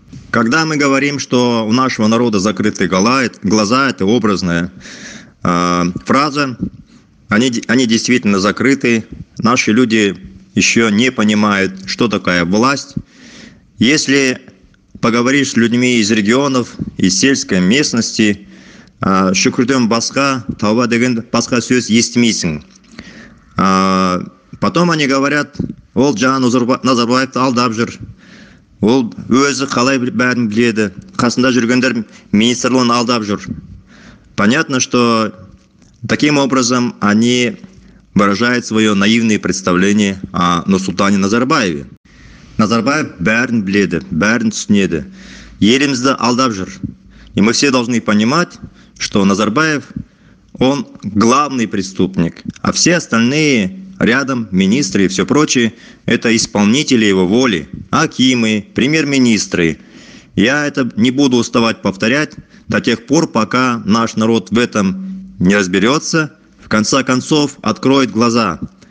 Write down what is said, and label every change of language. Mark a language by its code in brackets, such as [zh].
[ru] Когда мы говорим, что у нашего народа закрыты глаза, это образная фраза, они действительно закрыты. Наши люди еще не понимают, что такая власть. Если поговоришь с людьми из регионов, из сельской местности, [kk] шукрутем баска, тауба деген баска сөз естимейсин. [ru] Потом они говорят, [kk] ол жан Назарбаев алдап жүр, ол өзі қалай бәрін біледі, қасында жүргендер министрлон алдап жүр. [ru] Понятно, что таким образом они выражают свое наивное представление о Нурсултане Назарбаеве. [kk] Назарбаев бәрін біледі, бәрін түсінеді, елімізді алдап жүр. [ru] И мы все должны понимать, что Назарбаев, он главный преступник, а все остальные рядом, министры и все прочее, это исполнители его воли, акимы, премьер-министры. Я это не буду уставать повторять до тех пор, пока наш народ в этом не разберется, в конце концов откроет глаза.